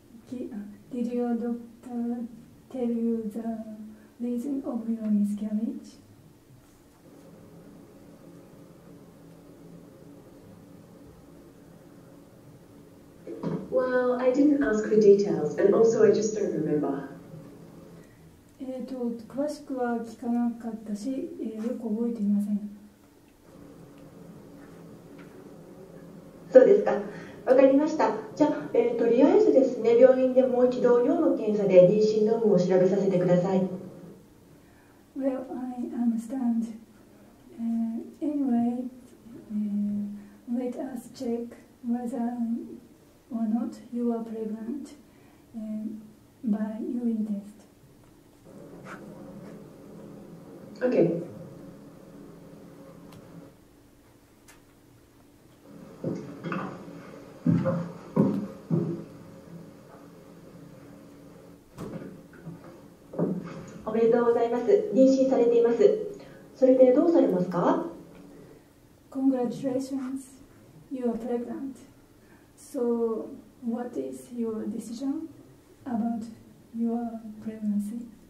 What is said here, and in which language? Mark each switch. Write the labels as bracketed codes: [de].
[en] Did your doctor tell you the reason of your miscarriage? Well, I didn't ask for details, and also I just don't remember. [ja] 詳しくは聞かなかったし、よく覚えていません。そうですか。わかりました。じゃあ、とりあえずですね、病院でもう一度尿の検査で妊娠の有無を調べさせてください。 [en] Well, I understand. Anyway, let us check whether or not you are pregnant by urine test. Okay. [ja] おめでとうございます。妊娠されています。それでどうされますか? [en] Congratulations. You are pregnant. So, what is your decision about your pregnancy?